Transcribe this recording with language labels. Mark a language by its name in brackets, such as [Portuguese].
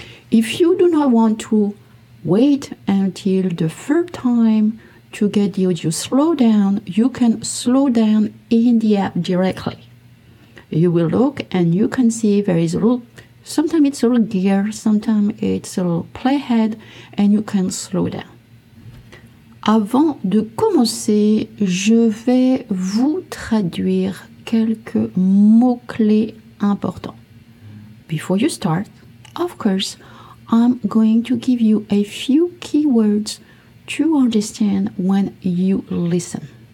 [English] If you do not want to wait until the 3rd time to get the audio slow down, you can slow down in the app directly. You will look and you can see there is a little, sometimes it's a little gear, sometimes it's a little playhead, and you can slow down. [French] Avant de commencer, je vais vous traduire quelques mots-clés importants. [English] Before you start, of course, I'm going to give you a few keywords to understand when you listen.